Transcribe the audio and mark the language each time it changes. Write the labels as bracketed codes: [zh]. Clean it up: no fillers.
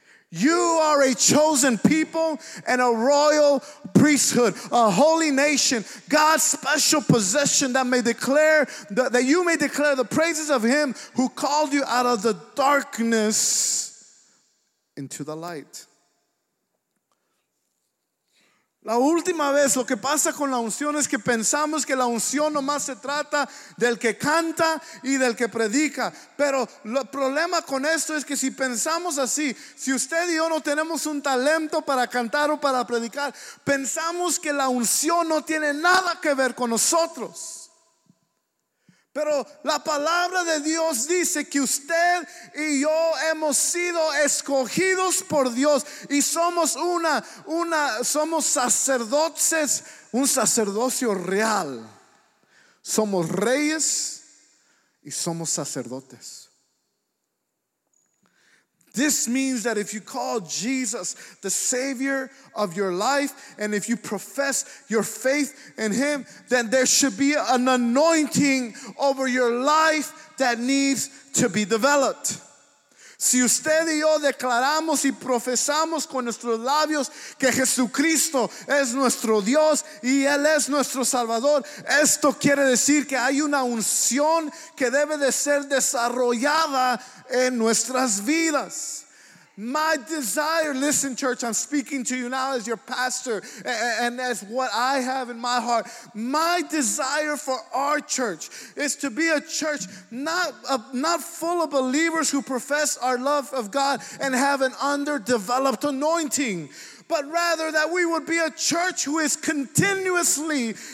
[en] You are a chosen people and a royal priesthood, a holy nation, God's special possession that may declare that you may declare the praises of him who called you out of the darkness into the light. [es] La última vez, lo que pasa con la unción es que pensamos que la unción nomás se trata del que canta y del que predica. Pero el problema con esto es que si pensamos así, si usted y yo no tenemos un talento para cantar o para predicar, pensamos que la unción no tiene nada que ver con nosotros. Pero la palabra de Dios dice que usted y yo hemos sido escogidos por Dios y somos somos sacerdotes, un sacerdocio real. Somos reyes y somos sacerdotes. [en] This means that if you call Jesus the Savior of your life and if you profess your faith in Him, then there should be an anointing over your life that needs to be developed. [es] Si usted y yo declaramos y profesamos con nuestros labios que Jesucristo es nuestro Dios y Él es nuestro Salvador, esto quiere decir que hay una unción que debe de ser desarrollada en nuestras vidas. [en] My desire, listen church, I'm speaking to you now as your pastor and as what I have in my heart. My desire for our church is to be a church not full of believers who profess our love of God and have an underdeveloped anointing, but rather that we would be a church who is continuously